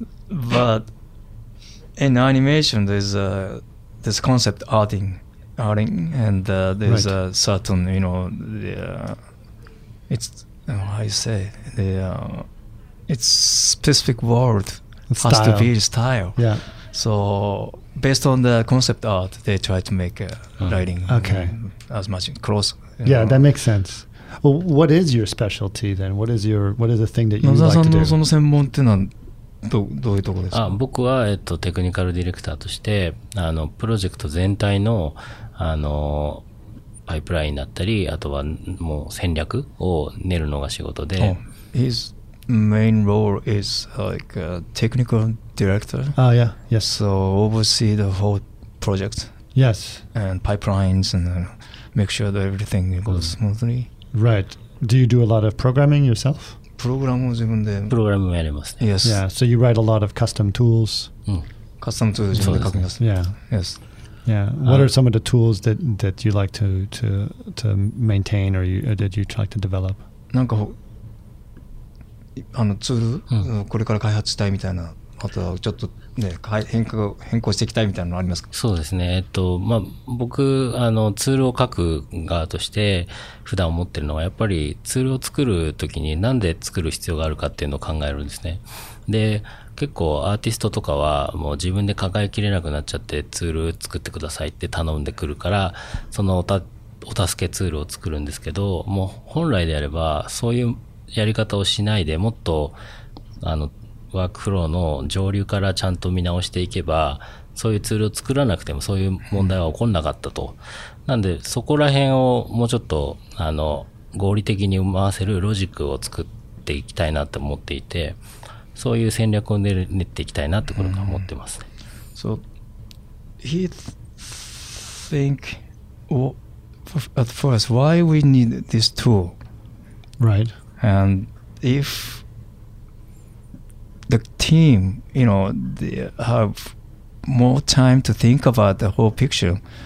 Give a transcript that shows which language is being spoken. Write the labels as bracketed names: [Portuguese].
[English] But in animation, there's a, this concept arting, and there's a certain, you know, the, it's, how do you say, the, it's specific world style. Has to be style. Yeah. So based on the concept art, they try to make lighting as much close. Yeah, know. That makes sense. Well, what is your specialty then? What is the thing that you like to do? [Japanese] 野田さんのその専門ってのはどういうところですか？あ、僕はテクニカルディレクターとして、あのプロジェクト全体のあのパイプラインだったり、あとはもう戦略を練るのが仕事で。 [English] Main role is like a technical director. Oh, yeah, yes. So oversee the whole project. Yes. And pipelines and make sure that everything goes smoothly. Right. Do you do a lot of programming yourself? [Japanese] プログラムを自分で。プログラムもやりますね。 [English] Yes. Yeah, so you write a lot of custom tools. Custom tools [Japanese] 自分で書きます。 [English] Yeah. Yes. Yeah. What are some of the tools that, that you like to maintain or, you, or that you try to develop? [Japanese] なんか、あのツール、これから開発したいみたいな、あとはちょっと、ね、変更していきたいみたいなのありますか？そうですね。まあ、僕、あの、ツールを書く側として、普段思ってるのは、やっぱりツールを作るときに、なんで作る必要があるかっていうのを考えるんですね。で、結構アーティストとかは、もう自分で抱えきれなくなっちゃって、ツール作ってくださいって頼んでくるから、そのお助けツールを作るんですけど、もう本来であれば、そういうやり方をしないでもっと、あの、ワークフローの上流からちゃんと見直していけば、そういうツールを作らなくてもそういう問題は起こんなかったと。なんで、そこら辺をもうちょっと、あの、合理的に回せるロジックを作っていきたいなと思っていて、そういう戦略を練っていきたいなってことか思ってますね。 [English] So, he think, at first, why we need this tool? Right. And if,The team, you know, they have more time to think about the whole picture.